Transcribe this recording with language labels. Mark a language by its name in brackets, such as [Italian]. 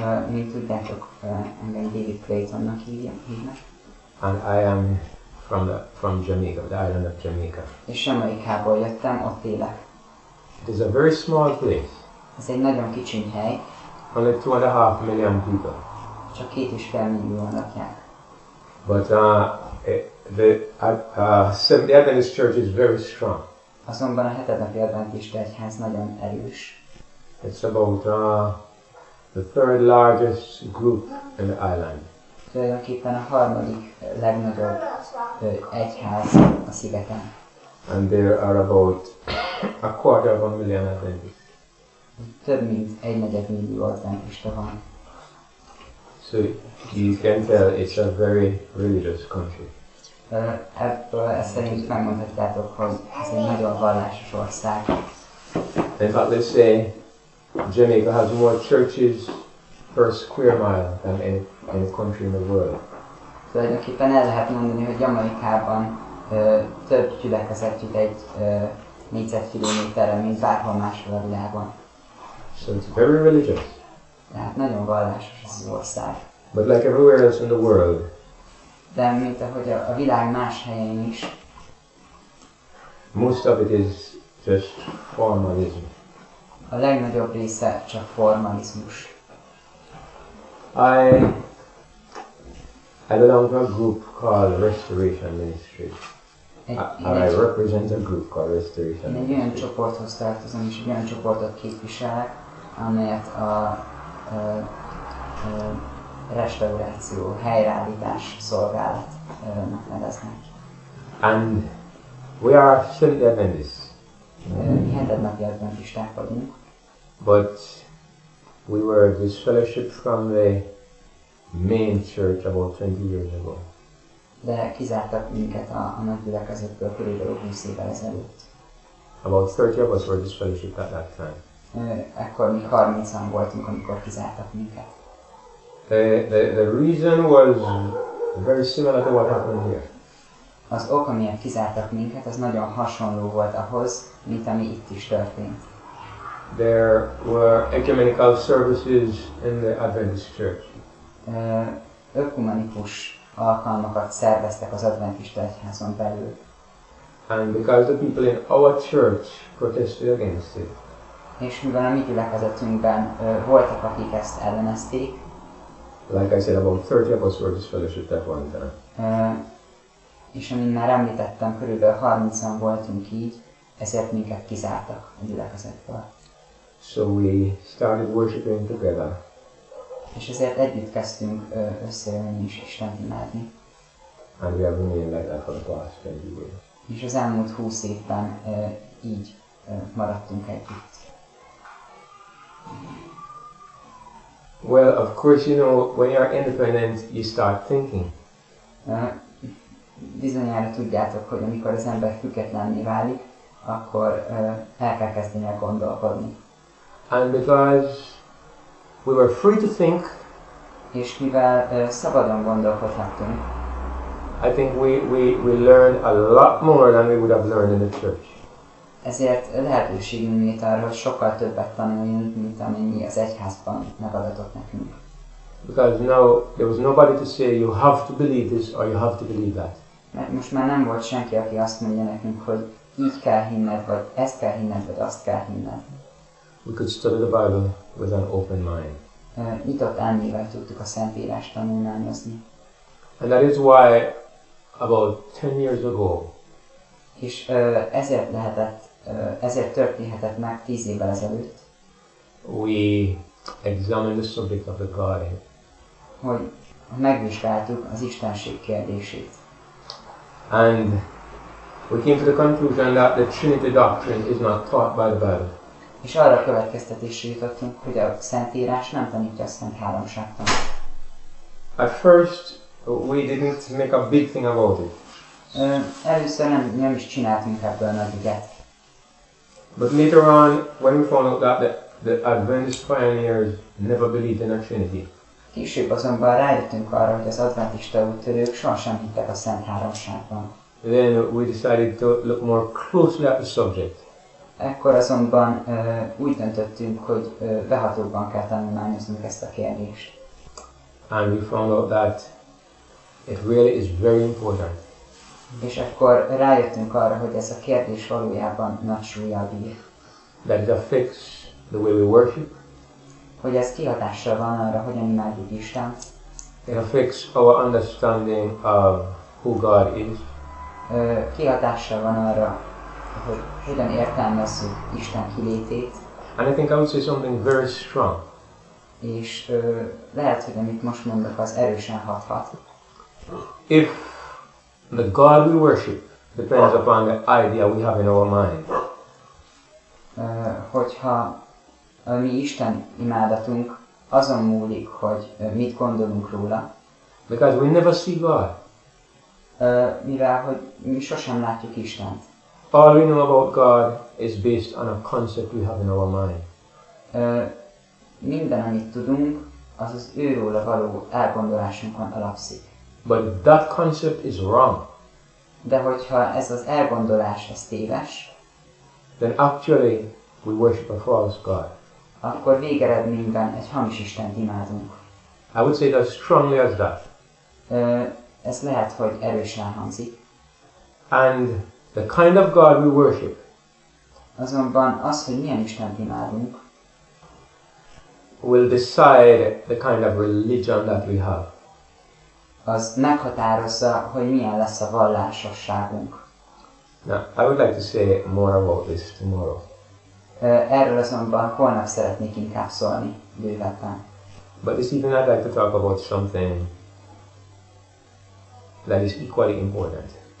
[Hungarian] Mi tudjátok, engem David Claytonnak hívnak. [English] And I am from Jamaica, the island of Jamaica. [Hungarian] És Jamaicából jöttem, ott élek. [English] It is a very small place. [Hungarian] Ez egy nagyon kicsiny hely. [English] Only 2.5 million people. [Hungarian] Csak 2.5 millióan lakják. [English] But the Adventist Church is very strong. [Hungarian] Azonban a hetednapi adventista egyház nagyon erős. [English] It's about the third largest group in the island. [Hungarian] Tulajdonképpen a harmadik legnagyobb egyház a szigeten. [English] And there are about 250,000 Adventists. [Hungarian] Több mint 1/4 millió adventista van. [English] So you can tell it's a very religious country. [Hungarian] Ebből szerint megmondhatjátok, hogy ez egy nagyon vallásos ország. [English] In fact, they say Jamaica has more churches per square mile than any country in the world. [Hungarian] Tulajdonképpen el lehet mondani, hogy Jamaicában több gyülekezetjük egy négyzetkilométerre, mint bárhol máshol a világon. [English] So it's very religious. [Hungarian] Tehát nagyon vallásos az ország. [English] But like everywhere else in the world, [Hungarian] de mint ahogy a világ más helyén is, [English] most of it is just formalism. [Hungarian] A legnagyobb része csak formalizmus. [English] I belong to a group called Restoration Ministry. I represent a group called Restoration Ministry. [Hungarian] Én egy olyan csoporthoz tartozom, és egy olyan csoportot képviselek, amelyet a restauráció, helyreállítás szolgálat neveznek. [English] And we are Seventh-day Adventists. [Hungarian] Mi hetednapi adventisták vagyunk. [English] But we were disfellowshipped from the main church about 20 years ago. [Hungarian] De kizártak minket a nagy gyülekezetből körülbelül 20 évvel ezelőtt. [English] About 30 of us were disfellowshipped at that time. [Hungarian] Ekkor mi 30-an voltunk, amikor kizártak minket. [English] The reason was very similar to what happened here. [Hungarian] Az ok, amiért kizártak minket, az nagyon hasonló volt ahhoz, mint ami itt is történt. [English] There were ecumenical services in the Adventist Church. [Hungarian] Ökumenikus alkalmakat szerveztek az Adventista egyházon belül. [English] And because the people in our church protested against it. [Hungarian] És mivel a mi gyülekezetünkben voltak, akik ezt ellenezték. [English] Like I said, about 30 of us were disfellowshipped at one time. [Hungarian] És amint már említettem, körülbelül 30-an voltunk így, ezért minket kizártak a gyülekezetből. [English] So we started worshiping together. [Hungarian] És ezért együtt kezdtünk összejönni és Istent imádni. [English] And we have remained like that for the past 20 years. [Hungarian] És az elmúlt 20 évben így maradtunk együtt. [English] Well, of course, you know, when you are independent, you start thinking. [Hungarian] Bizonyára tudjátok, hogy amikor az ember függetlenné válik, akkor el kell kezdenie gondolkodni. [English] And because we were free to think, [Hungarian] és mivel szabadon gondolkodhattunk, [English] I think we learn a lot more than we would have learned in the church. [Hungarian] Ezért lehetőségünk nyílt arra, hogy sokkal többet tanuljunk, mint amennyi az egyházban megadatott nekünk. [English] Because now there was nobody to say you have to believe this or you have to believe that. [Hungarian] Mert most már nem volt senki, aki azt mondja nekünk, hogy így kell hinned, vagy ezt kell hinned, vagy azt kell hinned. [English] We could study the Bible with an open mind. [Hungarian] Nyitott elmével tudtuk a Szentírást tanulmányozni. [English] And that is why about 10 years ago. [Hungarian] És ezért lehetett, ezért történhetett meg 10 évvel ezelőtt. [English] We examined the subject of the Godhead. [Hungarian] Hogy megvizsgáltuk az Istenség kérdését. [English] And we came to the conclusion that the Trinity doctrine is not taught by the Bible. [Hungarian] És arra a következtetésre jutottunk, hogy a Szentírás nem tanítja a Szent Háromságtan. [English] At first we didn't make a big thing about it. [Hungarian] Először nem is csináltunk ebből a nagy ügyet. [English] But later on, when we found out that the Adventist pioneers never believed in a Trinity. [Hungarian] Később azonban rájöttünk arra, hogy az adventista úttörők sohasem hittek a Szent Háromságban. [English] Then we decided to look more closely at the subject. [Hungarian] Ekkor azonban úgy döntöttünk, hogy behatóbban kell tanulmányoznunk ezt a kérdést. [English] And we found out that it really is very important. [Hungarian] És akkor rájöttünk arra, hogy ez a kérdés valójában nagy súllyal bír. [English] That it affects the way we worship. [Hungarian] Hogy ez kihatással van arra, hogyan imádjuk Istent. [English] It affects our understanding of who God is. [Hungarian] Kihatással van arra, hogy hogyan értelmezzük Isten kilétét. [English] And I think I would say something very strong. [Hungarian] És lehet, hogy amit most mondok, az erősen hathat. [English] If the God we worship depends upon the idea we have in our mind. [Hungarian] Hogyha a mi Isten imádatunk azon múlik, hogy mit gondolunk róla. [English] Because we never see God. [Hungarian] Mivel, hogy mi sosem látjuk Istent. [English] All we know about God is based on a concept we have in our mind. [Hungarian] Minden, amit tudunk, az az őről való elgondolásunkon alapszik. [English] But that concept is wrong. [Hungarian] De hogyha ez az elgondolás ez téves, [English] then actually we worship a false God. [Hungarian] Akkor végeredményben egy hamis Istent imádunk. [English] I would say that strongly as that. [Hungarian] Ez lehet, hogy erősen hangzik. [English] And the kind of God we worship. [Hungarian] Azonban az, hogy milyen Istent imádunk, [English] will decide the kind of religion that we have. [Hungarian] Az meghatározza, hogy milyen lesz a vallásosságunk. [English] Now, I would like to say more about this tomorrow. [Hungarian] Erről azonban holnap szeretnék inkább szólni, bővebben. [English] But this evening I'd like to talk about something that is equally important.